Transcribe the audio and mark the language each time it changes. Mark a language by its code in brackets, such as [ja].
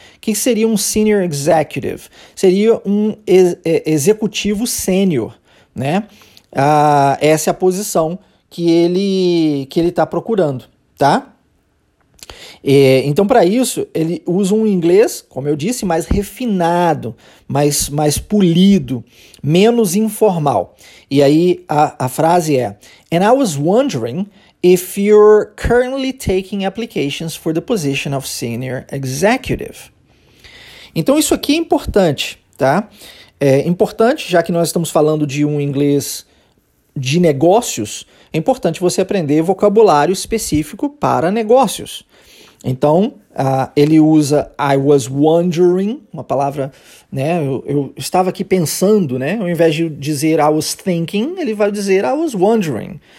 [pt] O que seria um senior executive? Seria um executivo sênior, né? Ah, essa é a posição que ele está procurando, tá? Então, para isso, ele usa um inglês, como eu disse, mais refinado, mais polido, menos informal. E aí a frase é: [en] And I was wondering if you're currently taking applications for the position of senior executive. [pt] Então, isso aqui é importante, tá? É importante, já que nós estamos falando de um inglês de negócios, é importante você aprender vocabulário específico para negócios. Então, ele usa [en] I was wondering, [pt] uma palavra, né, eu estava aqui pensando, né, ao invés de dizer [en] I was thinking, [pt] ele vai dizer I was wondering.